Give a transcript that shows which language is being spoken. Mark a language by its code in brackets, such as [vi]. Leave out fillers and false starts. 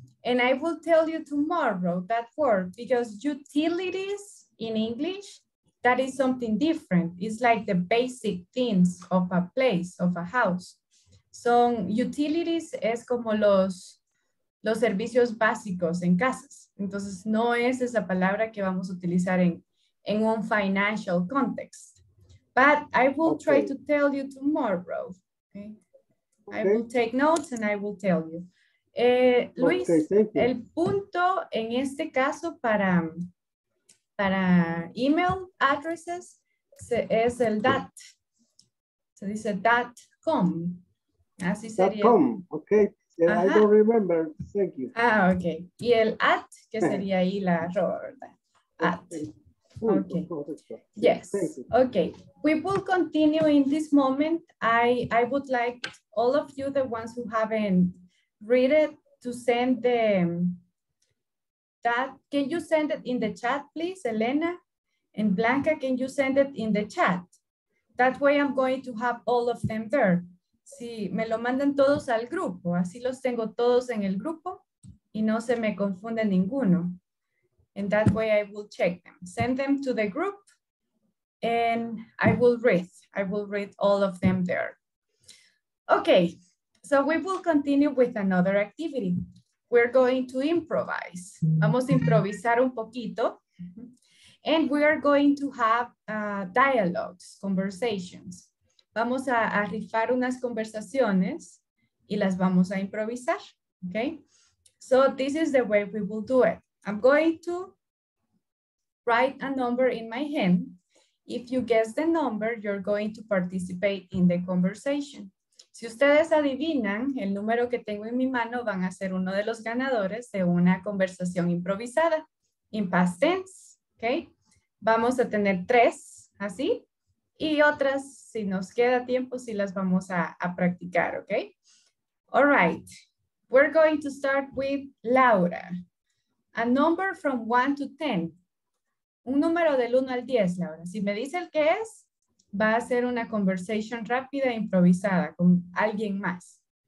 [en] And I will tell you tomorrow that word, because utilities in English, that is something different. It's like the basic things of a place, of a house. [es] So utilities es como los servicios básicos en casas. Entonces no es esa palabra que vamos a utilizar en un [en] financial context. But I will try to tell you tomorrow. Okay. I will take notes and I will tell you. [es] Luis, el punto en este caso para email addresses es el dot. Se dice dot com. Así sería. [en] Dot com. Okay. Yeah, I don't remember. Thank you. Ah, okay. [es] Y el at, que sería ahí la error. [en] At. Okay. Yes. Okay. We will continue in this moment. I would like all of you, the ones who haven't read it, to send them that. Can you send it in the chat, please, Elena? And Blanca, can you send it in the chat? That way I'm going to have all of them there. [es] Sí, me lo mandan todos al grupo. Así los tengo todos en el grupo y no se me confunde ninguno. [en] And that way I will check them. Send them to the group and I will read. I will read all of them there. Okay, so we will continue with another activity. We're going to improvise. [es] Vamos a improvisar un poquito. [en] And we are going to have dialogues, conversations. [es] Vamos a rifar unas conversaciones y las vamos a improvisar, okay? [en] So this is the way we will do it. I'm going to write a number in my hand. If you guess the number, you're going to participate in the conversation. [es] Si ustedes adivinan el número que tengo en mi mano, van a ser uno de los ganadores de una conversación improvisada. [en] In past tense, okay? [es] Vamos a tener tres, así. Y otras, si nos queda tiempo, sí las vamos a practicar, okay? [en] All right, we're going to start with Laura. A number from 1 to 10. [es] Un número del 1 al 10, [en] Laura. [es] Si me dice el que es, va a ser una conversation rápida e improvisada con alguien más.